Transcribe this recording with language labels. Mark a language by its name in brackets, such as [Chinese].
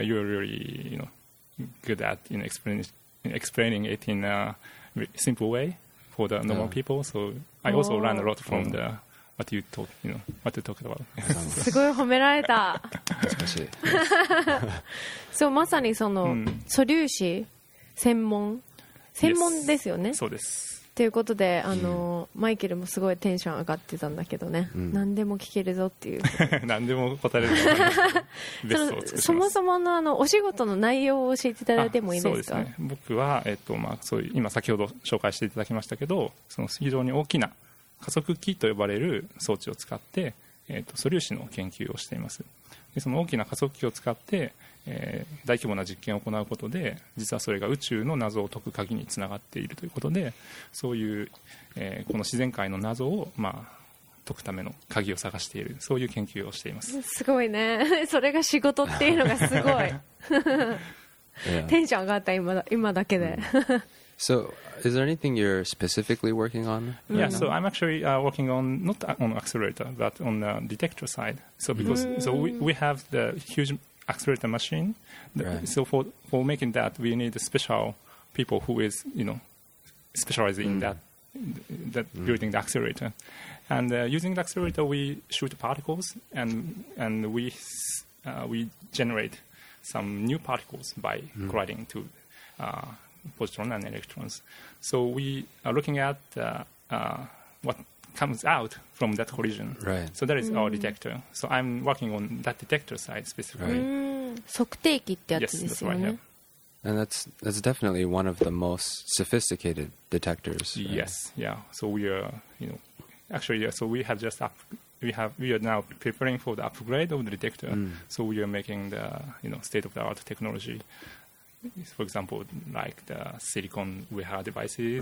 [English] you're really, you know, good at explaining it in a simple way for the normal people. So I also learn a lot from the... What you talk, you know, what you talk about. [Japanese] すごい褒められた。難しい。そう、まさにその、素粒子専門、専門ですよね。そうです。ということで、マイケルもすごいテンション上がってたんだけどね。うん、何でも聞けるぞっていう。何でも答えれる。そもそもの、お仕事の内容を教えていただいてもいいですか。そうですね。僕は、そういう今先ほど紹介していただきましたけど、その非常に大きな加速器と呼ばれる装置を使って、素粒子の研究をしています。でその大きな加速器を使って、大規模な実験を行うことで実はそれが宇宙の謎を解く鍵につながっているということで、そういう、この自然界の謎を、解くための鍵を探している、そういう研究をしています。すごいね、それが仕事っていうのがすごいテンション上がった 今だけで、 [English] So, is there anything you're specifically working on? Yeah, so I'm actually working on, not on accelerator, but on the detector side. So, because, so we have the huge accelerator machine. Right. So, for making that, we need a special people who is, you know, specialized in that building the accelerator. And using the accelerator, we shoot particles and we generate some new particles by colliding to... positrons and electrons. So we are looking at what comes out from that collision. Right. So that is our detector. So I'm working on that detector side specifically. [Japanese] 測定器ってやつですよね。 [English] Yes, that's right, yeah. And that's definitely one of the most sophisticated detectors. Right? Yes, yeah. So we are, you know, actually, yeah, so we have just we are now preparing for the upgrade of the detector. So we are making the, you know, state of the art technology. For example, like the silicon wear devices、